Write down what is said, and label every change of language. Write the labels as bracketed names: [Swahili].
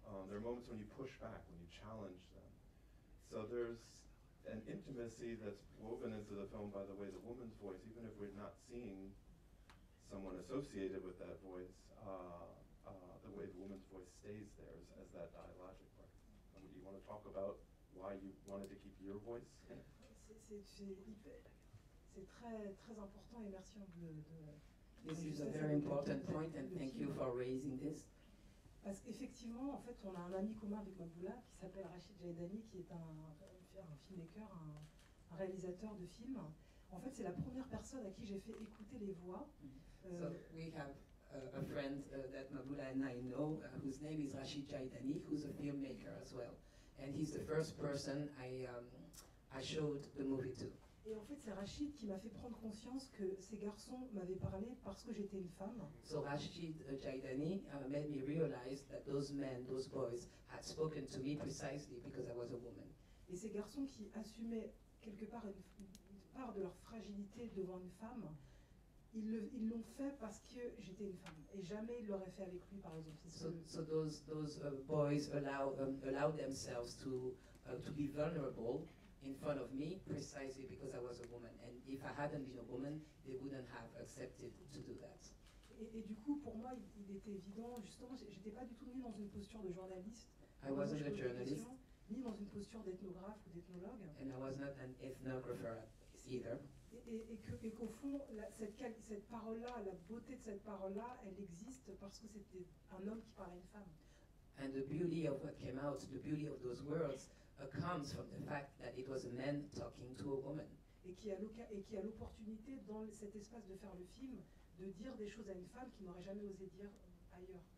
[English] There are moments when you push back, when you challenge them. So there's an intimacy that's woven into the film by the way the woman's voice, even if we're not seeing someone associated with that voice, the way the woman's voice stays there as that dialogic part. And do you want to talk about why you wanted to keep your voice? [French] C'est très très important et merci de [English] this is a very important point and thank you for raising this. [French] Parce qu'effectivement, en fait, on a un ami commun avec Maboula qui s'appelle Rachid Jaidani, qui est un filmmaker, un réalisateur de films. En fait, c'est la première personne à qui j'ai fait écouter les voix. [English] So we have a friend that Maboula and I know, whose name is Rachid Jaidani, who's a filmmaker as well, and he's the first person I showed the movie to. [French] Et en fait, c'est Rachid qui m'a fait prendre conscience que ces garçons m'avaient parlé parce que j'étais une femme. [English] So Rachid Jaidani made me realize that those men, those boys, had spoken to me precisely because I was a woman. [French] Et ces garçons qui assumaient quelque part une part de leur fragilité devant une femme, ils l'ont fait parce que j'étais une femme. Et jamais ils l'auraient fait avec lui, par exemple. [English] So those boys allowed themselves to be vulnerable in front of me, precisely because I was a woman. And if I hadn't been a woman, they wouldn't have accepted to do that. [French] Et du coup, pour moi, il était évident, justement, j'étais pas du tout ni dans une posture de journaliste. [English] I wasn't a journalist. [French] Ni dans une posture d'ethnographe ou d'ethnologue. [English] And I was not an ethnographer either. [French] Et qu'au fond, cette parole-là, la beauté de cette parole-là, elle existe parce que c'était un homme qui parlait à une femme. [English] And the beauty of what came out, the beauty of those words, comes from the fact that it was a man talking to a woman. [French] Et qui a l'opportunité dans cet espace de faire le film de dire des choses à une femme qu'il n'aurait jamais osé dire ailleurs.